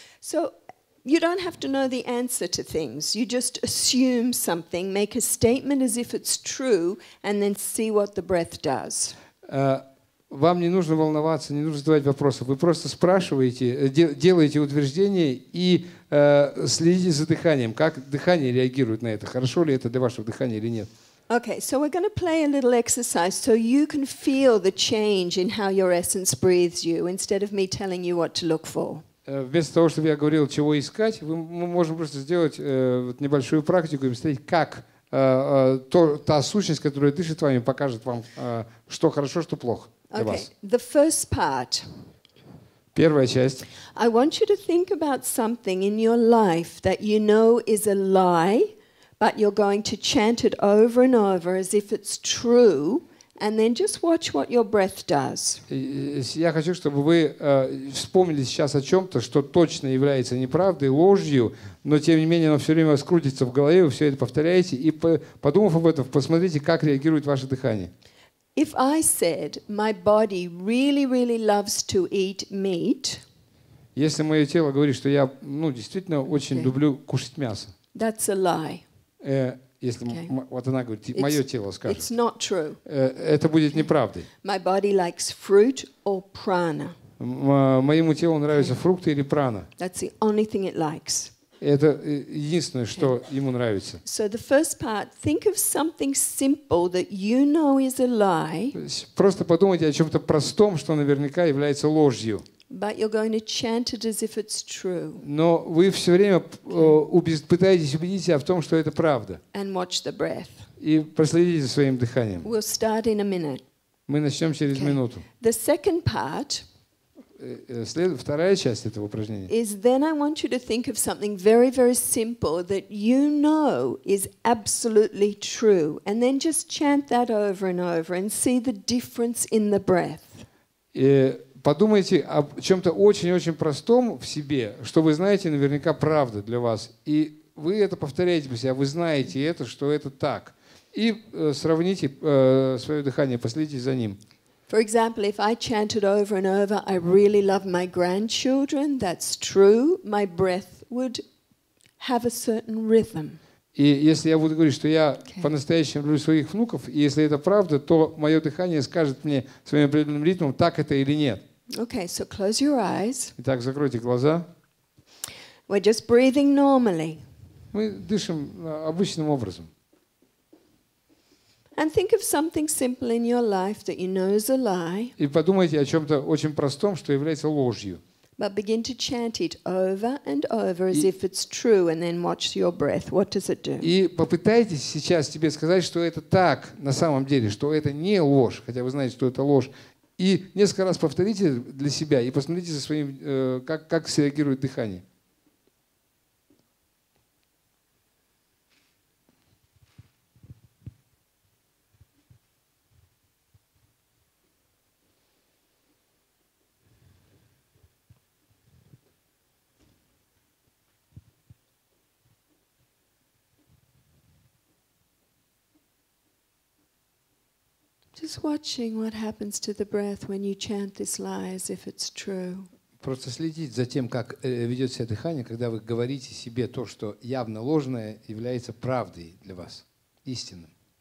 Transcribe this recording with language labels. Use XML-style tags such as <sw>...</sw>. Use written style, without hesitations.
<en>So, you don't have to know the answer to things. You just assume something, make a statement as if it's true, and then see what the breath does.</en> <ru>Вам не нужно волноваться, не нужно задавать вопросов. Вы просто спрашиваете, делаете утверждение и следите за дыханием. Как дыхание реагирует на это? Хорошо ли это для вашего дыхания или нет?</ru> <en>Okay, so we're going to play a little exercise so you can feel the change in how your essence breathes you instead of me telling you what to look for.</en> <ru>Вместо того, чтобы я говорил, чего искать, мы можем просто сделать вот небольшую практику и посмотреть, как та сущность, которая дышит вами, покажет вам, что хорошо, что плохо для вас.</ru> <en>Okay, the first part.</en> <ru>Первая часть.</ru> <en>I want you to think about something in your life that you know is a lie, but you're going to chant it over and over as if it's true, and then just watch what your breath does.</en> <ru>Я хочу, чтобы вы вспомнили сейчас о чем-то, что точно является неправдой, ложью, но тем не менее оно все время скрутится в голове, вы все это повторяете, и подумав об этом, посмотрите, как реагирует ваше дыхание.</ru> <en>If I said my body really, really loves to eat meat,</en> <ru>если мое тело говорит, что я, ну, действительно очень люблю кушать мясо,</ru> <en>that's a lie.</en> <ru>Если вот она говорит, мое тело скажет,</ru> <en>it's not true.</en> <ru>Это будет неправдой.</ru> <en>My body likes fruit or prana.</en> <ru>Моему телу нравятся фрукты или прана.</ru> <en>That's the only thing it likes.</en> <ru>Это единственное, что ему нравится.</ru> <en>So the first part, think of something simple that you know is a lie.</en> <ru>Просто подумайте о чем-то простом, что наверняка является ложью.</ru> <en>But you're going to chant it as if it's true.</en> <ru>Но вы все время пытаетесь убедить себя в том, что это правда.</ru> <en>And watch the breath.</en> <ru>И проследите за своим дыханием.</ru> <en>We'll start in a minute.</en> <ru>Мы начнем через минуту.</ru> <en>The second part.</en> <ru>Вторая часть этого упражнения.</ru> <en>Is then I want you to think of something very, very simple that you know is absolutely true, and then just chant that over and over and see the difference in the breath.</en> <ru>Подумайте о чем-то очень-очень простом в себе, что вы знаете наверняка правда для вас, и вы это повторяете по себе, вы знаете это, что это так, и сравните свое дыхание, последите за ним.</ru> <en>For example, if I chanted over and over, I really love my grandchildren, that's true, my breath would have a certain rhythm.</en> <ru>И если я буду говорить, что я по-настоящему люблю своих внуков, и если это правда, то мое дыхание скажет мне своим определенным ритмом, так это или нет.</ru> <en>Okay, so close your eyes.</en> <ru>Итак, закройте глаза.</ru> <en>We're just breathing normally.</en> <ru>Мы дышим обычным образом.</ru> <en>And think of something simple in your life that you know is a lie.</en> <ru>И подумайте о чем-то очень простом, что является ложью.</ru> <en>But begin to chant it over and over as if it's true, and then watch your breath. What does it do?</en> <ru>И попытайтесь сейчас тебе сказать, что это так на самом деле, что это не ложь, хотя вы знаете, что это ложь. И несколько раз повторите для себя и посмотрите за своим, как среагирует дыхание.</ru> <en>Just watching what happens to the breath when you chant this lie as if it's true.</en> <ru>Просто следить за тем, как ведет себя дыхание, когда вы говорите себе то, что явно ложное, является правдой для вас, истинным.</ru>